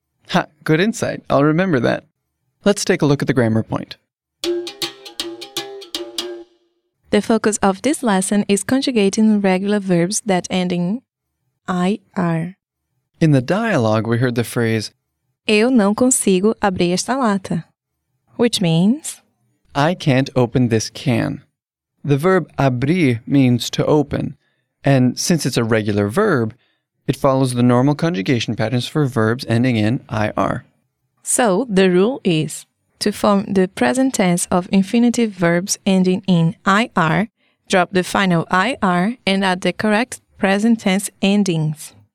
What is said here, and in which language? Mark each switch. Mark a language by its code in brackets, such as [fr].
[en] Ha, good insight. I'll remember that. Let's take a look at the grammar point. The focus of this lesson is conjugating regular verbs that end in IR. In the dialogue, we heard the phrase [pt] "Eu não consigo abrir esta lata," [en] which means "I can't open this can." The verb abrir means to open, and since it's a regular verb, it follows the normal conjugation patterns for verbs ending in IR. So, the rule is to form the present tense of infinitive verbs ending in IR, drop the final IR, and add the correct present tense endings.